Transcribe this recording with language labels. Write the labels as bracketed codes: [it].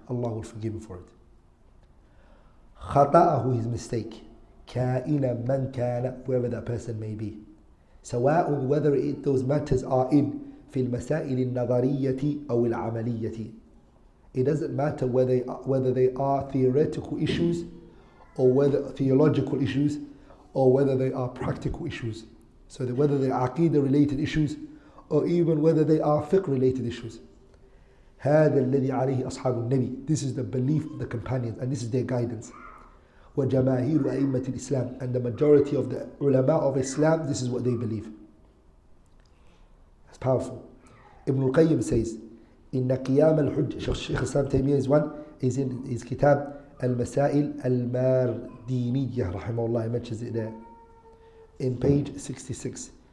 [en] Allah will forgive him for it. [ar] خطأه, [en] his mistake, [ar] كائن من كان, [en] whoever that person may be, [ar] سواء, [en] whether it, those matters are in [ar] في المسائل النظرية أو العملية. [en] It doesn't matter whether they are theoretical issues or whether theological issues or whether they are practical issues. So that whether they are aqidah related issues or even whether they are fiqh related issues. [ar] هذا الذي عليه أصحاب النبي. [en] This is the belief of the companions and this is their guidance. [ar] وَجَمَاهِيرُ أَئِمَّةِ الْإِسْلَامِ. [en] And the majority of the ulama of Islam, this is what they believe. That's powerful. Ibn al-Qayyim says, [ar] إِنَّ قِيَامَ الْحُجَّةِ. [en] Shaykh Islam Taymiyyah is one, is in his kitab, المسائل المارديني, [ar] رحمه الله, [en] he mentions it there, in page 66.